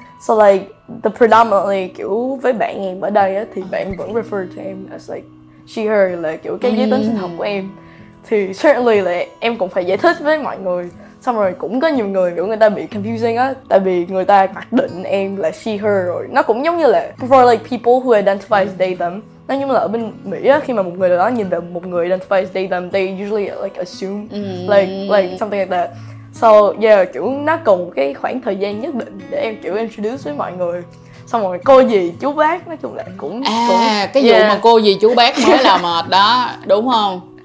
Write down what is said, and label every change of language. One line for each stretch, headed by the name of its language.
Vietnamese: So like the predominantly kiểu với bạn em ở đây á, thì bạn vẫn refer to em as like she her, là kiểu cái giới tính sinh học của em. Thì certainly là em cũng phải giải thích với mọi người. Xong rồi cũng có nhiều người kiểu người ta bị confusing á, tại vì người ta mặc định em là she her rồi. Nó cũng giống như là
English: for like people who identify as they them.
Vietnamese: Nó như là ở bên Mỹ á, khi mà một người đó nhìn vào một người identify as they them,
English: they usually like assume like something like that.
Vietnamese: So yeah, kiểu nó cần cái khoảng thời gian nhất định để em kiểu introduce với mọi người. Xong rồi cô dì chú bác nói chung là cũng cái vụ mà cô dì chú bác mới là mệt đó, đúng không?